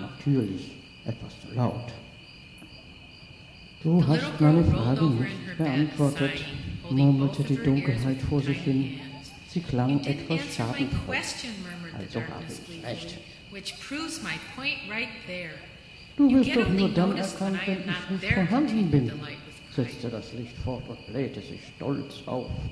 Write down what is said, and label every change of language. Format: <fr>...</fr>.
<de>Natürlich etwas zu laut. Du hast meine Frage nicht beantwortet, murmelte die Dunkelheit vor sich hin. Sie klang etwas zartenfroh, also habe ich recht.</de> <en>Which proves my point right there.</en> <de>Du wirst doch nur dann erkannt, wenn ich nicht vorhanden bin, setzte das Licht fort und blähte sich stolz auf.</de>